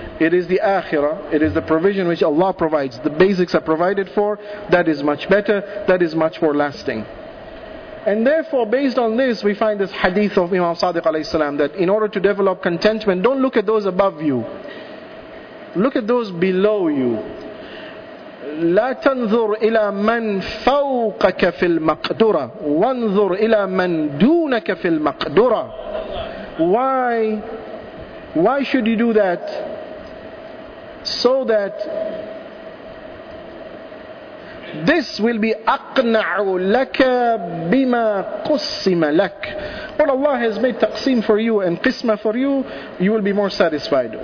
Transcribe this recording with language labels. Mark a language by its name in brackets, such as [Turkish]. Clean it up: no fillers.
[English] It is the akhirah. It is the provision which Allah provides. The basics are provided for. That is much better. That is much more lasting. And therefore, based on this, we find this hadith of Imam Sadiq alayhi salam, that in order to develop contentment, don't look at those above you. Look at those below you. [Arabic] لا تنظر إلى من فوقك في المقدرة وانظر إلى من دونك في المقدرة. [English] Why should you do that? So that this will be [Arabic] أقنع لك بما قسم لك. [English] What Allah has made taqseem for you and qisma for you, you will be more satisfied.